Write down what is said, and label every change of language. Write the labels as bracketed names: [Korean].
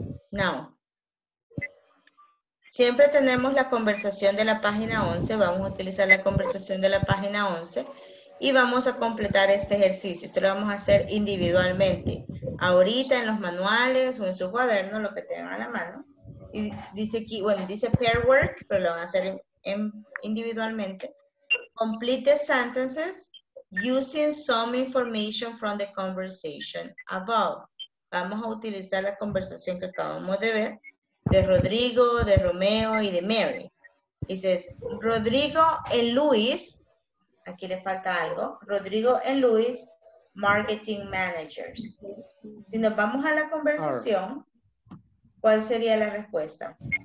[Spanish] Now, siempre tenemos la conversación de la página 11, vamos a utilizar la conversación de la página 11 y vamos a completar este ejercicio. Esto lo vamos a hacer individualmente, ahorita en los manuales o en sus cuadernos, lo que tengan a la mano. Y dice aquí, bueno, dice pair work, pero lo van a hacer individualmente. [English] Complete the sentences using some information from the conversation above. [Spanish] Vamos a utilizar la conversación que acabamos de ver de Rodrigo, de Romeo y de Mary. Y dices, Rodrigo and Luis, aquí le falta algo, Rodrigo and Luis, marketing managers. Si nos vamos a la conversación, ¿cuál sería la respuesta?